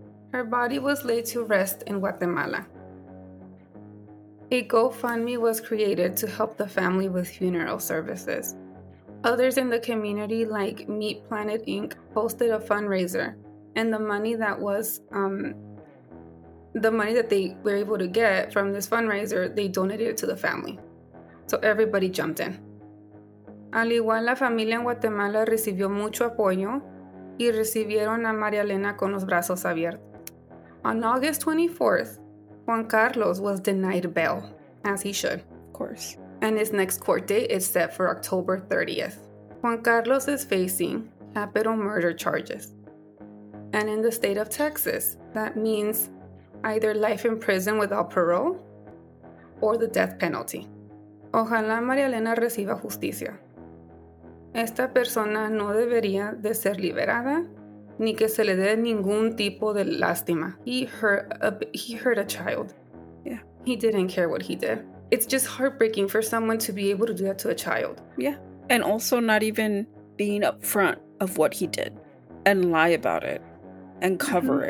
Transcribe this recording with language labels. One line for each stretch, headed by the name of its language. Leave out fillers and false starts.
English: Her body was laid to rest in Guatemala. A GoFundMe was created to help the family with funeral services. Others in the community, like Meat Planet Inc., hosted a fundraiser, and the money that they were able to get from this fundraiser, they donated it to the family. So everybody jumped in.
Spanish: Al igual, la familia en Guatemala recibió mucho apoyo, y recibieron a María Elena con los brazos abiertos.
English: On August 24th, Juan Carlos was denied bail, as he should, of course. And his next court date is set for October 30th. Juan Carlos is facing capital murder charges. And in the state of Texas, that means either life in prison without parole or the death penalty.
Spanish: Ojalá María Elena reciba justicia. Esta persona no debería de ser liberada ni que se le dé ningún tipo de lástima.
English: He hurt a child. Yeah. He didn't care what he did. It's just heartbreaking for someone to be able to do that to a child. Yeah. And also not even being upfront of what he did and lie about it and cover mm-hmm.